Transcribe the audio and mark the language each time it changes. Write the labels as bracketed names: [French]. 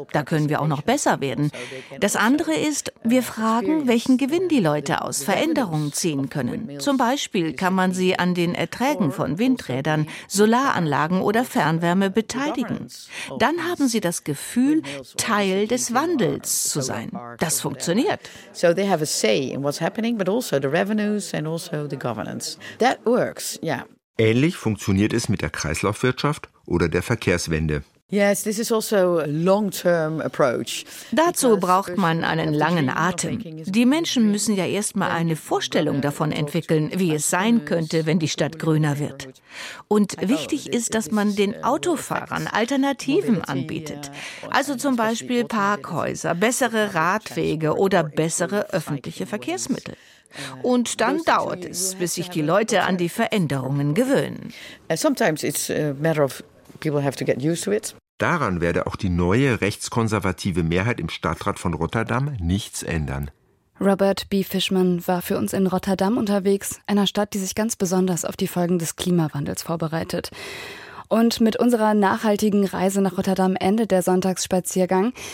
[German] Da können wir auch noch besser werden. Das andere ist, wir fragen, welchen Gewinn die Leute aus Veränderungen ziehen können. Zum Beispiel kann man sie an den Erträgen von Windrädern, Solaranlagen oder Fernwärme beteiligen. Dann haben sie das Gefühl, Teil des Wandels zu sein. Das funktioniert. [English] So they have a say in what's happening, but also the revenues and also the governance. That works, yeah. [German] Ähnlich funktioniert es mit der Kreislaufwirtschaft oder der Verkehrswende. [English] Yes, this is also a long-term approach. [German] Dazu braucht man einen langen Atem. Die Menschen müssen ja erstmal eine Vorstellung davon entwickeln, wie es sein könnte, wenn die Stadt grüner wird. Und wichtig ist, dass man den Autofahrern Alternativen anbietet. Also zum Beispiel Parkhäuser, bessere Radwege oder bessere öffentliche Verkehrsmittel. Und dann dauert es, bis sich die Leute an die Veränderungen gewöhnen. [English] Sometimes it's a matter of people have to get used to it. [German] Daran werde auch die neue rechtskonservative Mehrheit im Stadtrat von Rotterdam nichts ändern. Robert B. Fishman war für uns in Rotterdam unterwegs, einer Stadt, die sich ganz besonders auf die Folgen des Klimawandels vorbereitet. Und mit unserer nachhaltigen Reise nach Rotterdam endet der Sonntagsspaziergang.